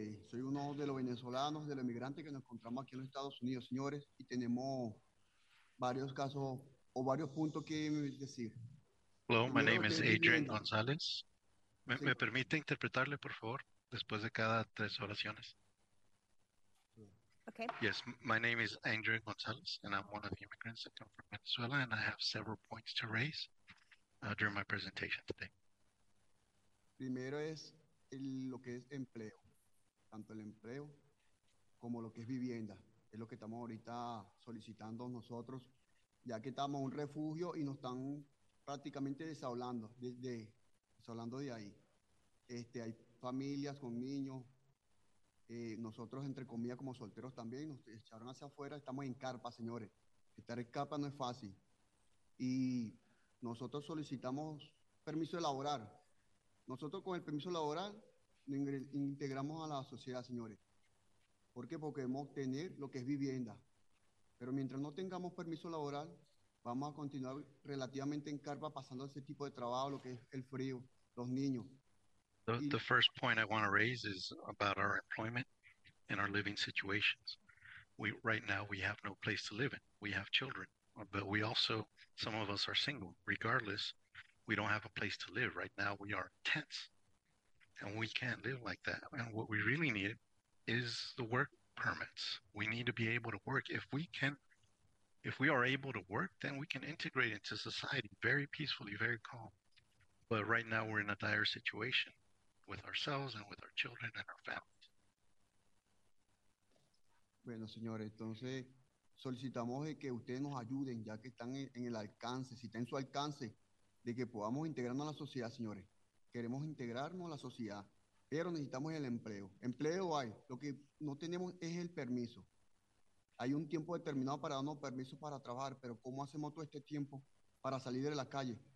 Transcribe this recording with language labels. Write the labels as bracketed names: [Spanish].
[Spanish] Soy uno de los venezolanos, de los inmigrantes que nos encontramos aquí en los Estados Unidos, señores, y tenemos varios casos o varios puntos que decir. [English] Hello, my name is Adrian González. [Spanish] ¿Me permite interpretarle, por favor, después de cada tres oraciones? [English] Okay. Yes, my name is Adrian González, and I'm one of the immigrants that come from Venezuela, and I have several points to raise during my presentation today. [Spanish] Primero es lo que es empleo, tanto el empleo como lo que es vivienda. Es lo que estamos ahorita solicitando nosotros, ya que estamos en un refugio y nos están prácticamente desahogando de ahí. Hay familias con niños, nosotros entre comillas como solteros también, nos echaron hacia afuera, estamos en carpa, señores. Estar en carpa no es fácil. Y nosotros solicitamos permiso de laborar. Nosotros con el permiso de laborar integramos a la sociedad, señores. ¿Por qué? Porque debemos obtener lo que es vivienda. Pero mientras no tengamos permiso laboral, vamos a continuar relativamente en carpa pasando ese tipo de trabajo, lo que es el frío, los niños. [English] The first point I want to raise is about our employment and our living situations. Right now we have no place to live in. We have children, but we also, some of us are single. Regardless, we don't have a place to live. Right now we are in tents and we can't live like that. And what we really need is the work permits. We need to be able to work. If we are able to work, then we can integrate into society very peacefully, very calm. But right now we're in a dire situation with ourselves and with our children and our families. [Spanish] Bueno, señores, entonces solicitamos que ustedes nos ayuden, ya que están en el alcance, si está en su alcance, de que podamos integrarnos a la sociedad, señores. Queremos integrarnos a la sociedad, pero necesitamos el empleo. Empleo hay, lo que no tenemos es el permiso. Hay un tiempo determinado para darnos permiso para trabajar, pero ¿cómo hacemos todo este tiempo para salir de la calle?